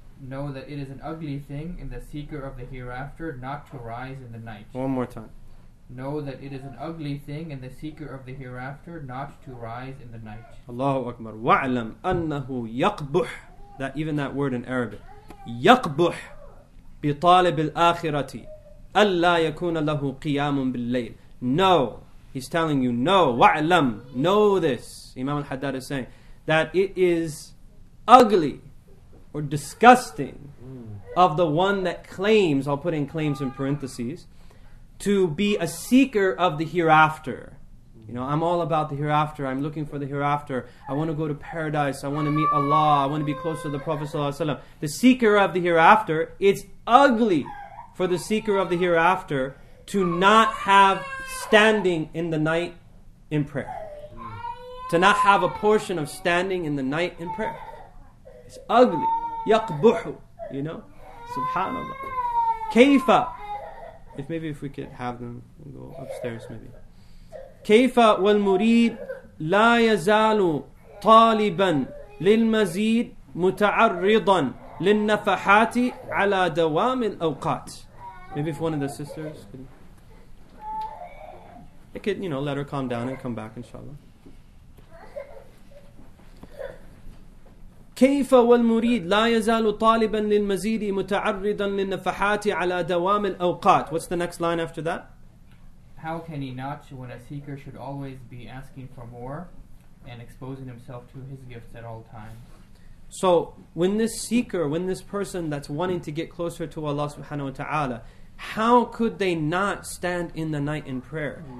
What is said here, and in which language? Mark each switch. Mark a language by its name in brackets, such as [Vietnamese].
[English] Know that it is an ugly thing in the seeker of the hereafter not to rise in the night. One more time. Know that it is an ugly thing in the seeker of the hereafter not to rise in the night. [Arabic] Allahu Akbar. Wa'alam annahu yaqbuh. [English] That even that word in Arabic. Yaqbuh. [Arabic] بطالب الآخرة ألا يكون له قيام بالليل. [English] No, he's telling you, no, وعلم, know this. Imam al-Haddad is saying that it is ugly or disgusting of the one that claims, I'll put in claims in parentheses, to be a seeker of the hereafter. You know, I'm all about the hereafter. I'm looking for the hereafter. I want to go to paradise. I want to meet Allah. I want to be close to the Prophet ﷺ. The seeker of the hereafter, it's ugly for the seeker of the hereafter to not have standing in the night in prayer. To not have a portion of standing in the night in prayer. It's ugly. يَقْبُحُ. You know? SubhanAllah. كَيْفَ. If we could have them go upstairs maybe. [Arabic] كيف والمريد لا يزال طالبا للمزيد متعرضا للنفحات على دوام الأوقات. [English] Maybe if one of the sisters could, they could, you know, let her calm down and come back, inshallah. [Arabic] كيف والمريد لا يزال طالبا للمزيد متعرضا للنفحات على دوام الأوقات. [English] What's the next line after that? How can he not, when a seeker should always be asking for more and exposing himself to his gifts at all times? So when this seeker, when this person that's wanting to get closer to Allah subhanahu wa ta'ala, how could they not stand in the night in prayer?